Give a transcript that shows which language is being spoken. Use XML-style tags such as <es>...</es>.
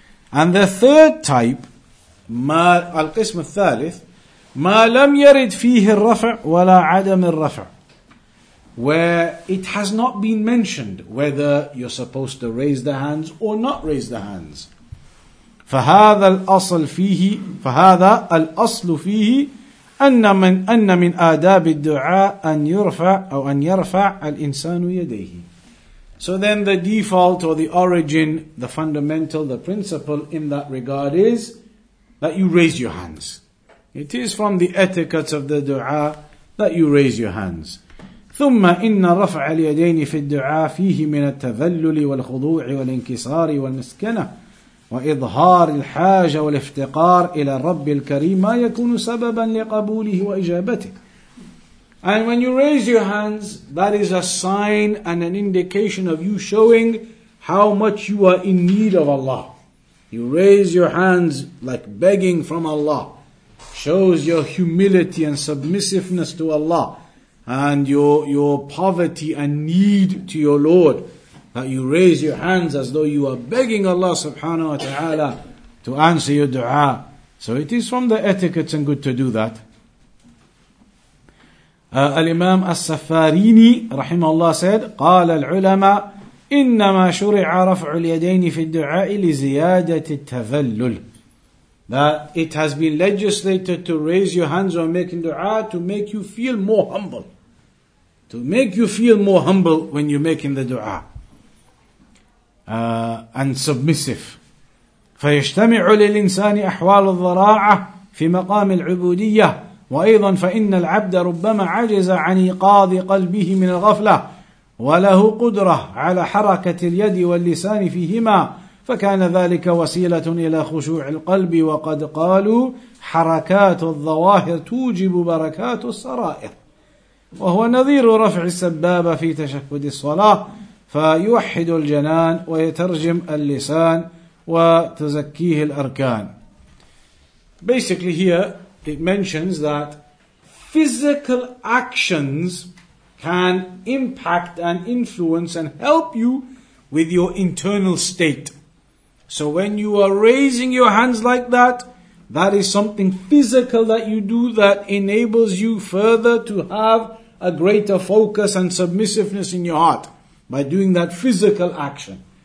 <en>And the third type,</en> <ar>al-qism al-thalith, ma lam yarid fihi al-rafa' wala adam al-rafa',</ar> <en>where it has not been mentioned whether you're supposed to raise the hands or not raise the hands.</en> <ar>فهذا الأصل فيه أن من آداب الدعاء أن يرفع أو أن يرفع الإنسان يديه.</ar> <en>So then the default or the origin, the fundamental, the principle in that regard is that you raise your hands. It is from the etiquettes of the dua that you raise your hands.</en> <ar>ثم إن رفع اليدين في الدعاء فيه من التذلل والخضوع والانكسار والمسكنة وإظهار الحاجة والافتقار إلى الرب الكريم ما يكون سببا لقبوله وإجابته.</ar> <en>And when you raise your hands, that is a sign and an indication of you showing how much you are in need of Allah. You raise your hands like begging from Allah, shows your humility and submissiveness to Allah, and your poverty and need to your Lord, that you raise your hands as though you are begging Allah subhanahu wa ta'ala to answer your dua. So it is from the etiquettes and good to do that.</en> <ar>الإمام السفاريني رحمه الله said, قال العلماء إنما شرع رفع اليدين في الدعاء لزيادة التذلل.</ar> <en>That it has been legislated to raise your hands when making dua to make you feel more humble. To make you feel more humble when you're making the dua. And submissive.</en> <ar>فيجتمع للإنسان أحوال الضراعة في مقام العبودية. وأيضا فإن العبد ربما عجز عن إيقاظ قلبه من الغفلة وله قدرة على حركة اليد واللسان فيهما فكان ذلك وسيلة إلى خشوع القلب وقد قالوا حركات الظواهر توجب بركات السرائر وهو نظير رفع السبابة في تشهد الصلاة فيوحد الجنان ويترجم اللسان وتزكيه الأركان.</ar> <en>Basically here it mentions that physical actions can impact and influence and help you with your internal state. So when you are raising your hands like that, that is something physical that you do that enables you further to have a greater focus and submissiveness in your heart by doing that physical action.</en>